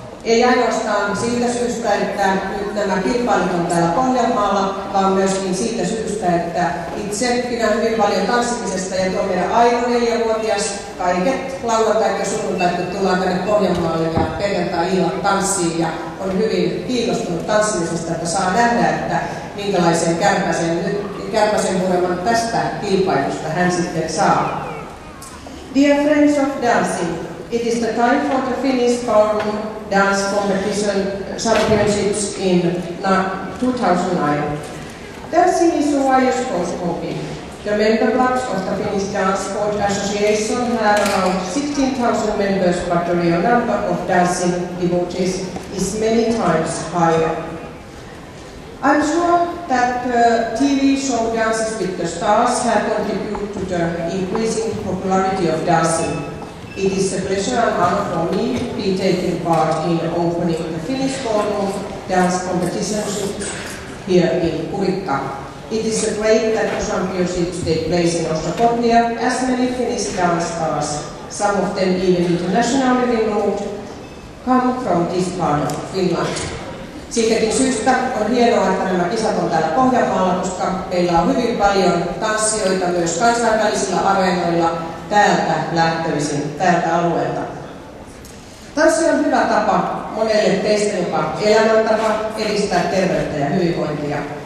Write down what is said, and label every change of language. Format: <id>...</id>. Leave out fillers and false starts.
<fi>Ei ainoastaan siitä syystä, että nyt nämä kilpailut on täällä Pohjanmaalla, vaan myöskin siitä syystä, että itse pidän hyvin paljon tanssimisesta ja tuo meidän aivan 4-vuotias kaiket lauantai ja sunnuntai, kun tullaan tänne Pohjanmaalle ja perjantai-illan tanssiin ja on hyvin kiinnostunut tanssimisesta, että saa nähdä, että minkälaisen kärpäsen huoleman tästä kilpailusta hän sitten saa.</fi> <en>Dear friends of dancing, it is the time for the Finnish ballroom dance competition championships in 2009. Dancing is a wide scope. The member clubs of the Finnish Dance Sport Association have around 16,000 members, but the real number of dancing devotees is many times higher. I'm sure that the TV show Dances with the Stars have contributed to the increasing popularity of dancing. It is a pleasure and honor for me to be taking part in opening the Finnish Ballroom Dance Competitionship here in Kurikka. It is a great that the championships take place in Ostrobothnia, as many Finnish dance stars, some of them even internationally renowned, come from this part of Finland.</en> <fi>Siitäkin syystä on hienoa, että nämä kisat on täällä Pohjanmaalla, koska meillä on hyvin paljon tanssijoita myös kansainvälisillä areenoilla täältä lähtöisin, täältä alueelta. Tanssi on hyvä tapa monelle teistä jopa elämäntapa edistää terveyttä ja hyvinvointia.</fi>